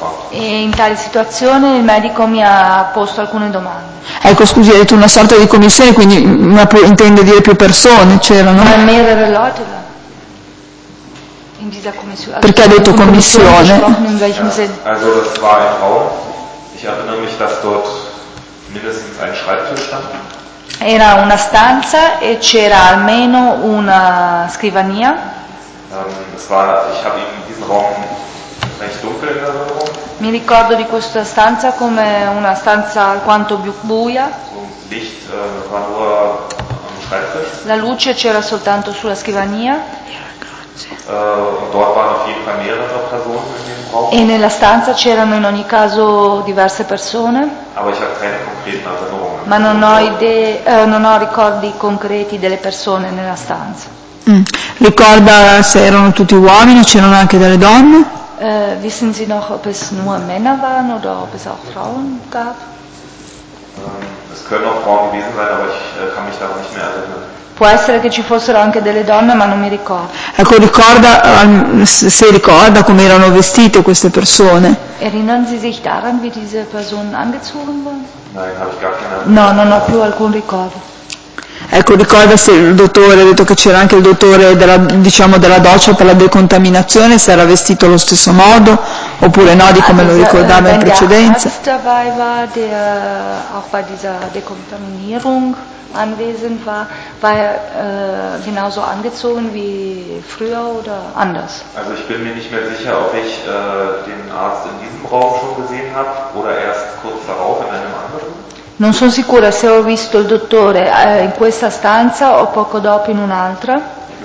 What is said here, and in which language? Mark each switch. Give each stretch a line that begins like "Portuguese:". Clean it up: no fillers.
Italian: E in tale situazione il medico mi ha posto alcune domande. Ecco, scusi, hai detto una sorta di commissione, quindi ma intende dire più persone c'erano?
German: Ma mehrere Leute in dieser Kommission.
Italian: Perché ha detto commissione?
German: Also das war ein Raum. Ich erinnere mich, dass dort mindestens ein Schreibtisch stand.
Italian: Era una stanza e c'era almeno una scrivania.
German: Ich habe in diesen Raum recht dunkel in Erinnerung.
Italian: Mi ricordo di questa stanza come una stanza alquanto buia.
German: Licht war nur am Schreibtisch.
Italian: La luce c'era soltanto sulla scrivania.
German: Und dort waren auf jeden Fall mehrere Personen in dem Raum.
Italian: E nella stanza c'erano in ogni caso diverse persone.
German: Aber ich habe keine konkreten Erinnerungen.
Italian: Ma non ho idee, non ho ricordi concreti delle persone nella stanza. Ricorda se erano tutti uomini, c'erano anche delle donne?
German: Wissen Sie noch, ob es nur Männer waren oder ob es auch Frauen gab? Es können auch Frauen gewesen sein, aber ich kann mich daran nicht mehr erinnern.
Italian: Può essere che ci fossero anche delle donne, ma non mi ricordo. Ecco, ricorda, se ricorda come erano vestite queste persone?
German: Erinnern Sie sich daran, wie diese Personen angezogen waren? Nein, habe ich gar keine Erinnerung.
Italian: No, non ho più alcun ricordo. Ecco, ricorda se il dottore, ha detto che c'era anche il dottore della, diciamo, della doccia per la decontaminazione, se era vestito allo stesso modo, oppure no, di come lo ricordava in precedenza.
German: Der Arzt dabei war, der auch bei dieser Dekontaminierung anwesend war, war genauso angezogen wie früher oder anders? Also ich bin mir nicht mehr sicher, ob ich den Arzt in diesem Raum schon gesehen habe oder erst kurz darauf in einem anderen.
Italian: Non sono sicura se ho visto il dottore in questa stanza o poco dopo in un'altra.